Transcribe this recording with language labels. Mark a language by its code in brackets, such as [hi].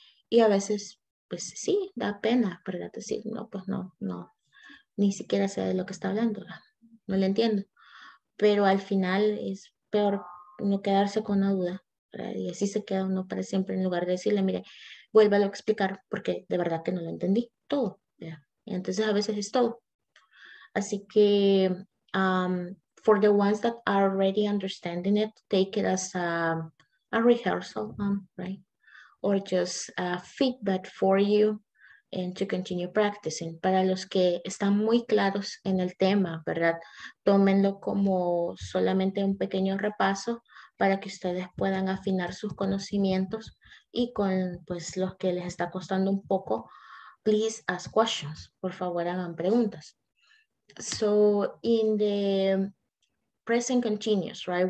[es] Y a veces, pues sí, da pena, ¿verdad? Decir, no, pues no. Ni siquiera sé de lo que está hablando, ¿verdad? No le entiendo. Pero al final es peor no quedarse con una duda, ¿verdad? Y así se queda uno para siempre en lugar de decirle, mire, vuélvalo a explicar porque de verdad que no lo entendí todo. Y entonces a veces es todo. Así que, [en] for the ones that are already understanding it, take it as a rehearsal, right? Or just a feedback for you and to continue practicing. [es] Para los que están muy claros en el tema, ¿verdad? Tómenlo como solamente un pequeño repaso para que ustedes puedan afinar sus conocimientos. Y con pues, los que les está costando un poco, [en] please ask questions. [es] Por favor, hagan preguntas. [en] So, in the present continuous, right?